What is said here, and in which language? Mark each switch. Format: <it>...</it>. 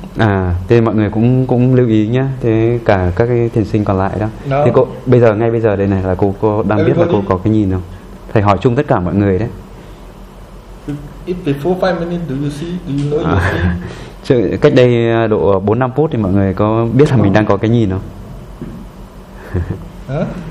<vi>À, thì mọi người cũng lưu ý nhé. Thế cả các cái thiền sinh còn lại đó.</vi> <en>No.</en> <vi>Thì cô bây giờ ngay bây giờ đây này là cô đang biết là cô có cái nhìn không? Thầy hỏi chung tất cả mọi người đấy.</vi> <en>If before 5 minutes, do you know your seeing?</en> <vi>Cách đây độ 4-5 phút thì mọi người có biết là mình đang có cái nhìn không?</vi>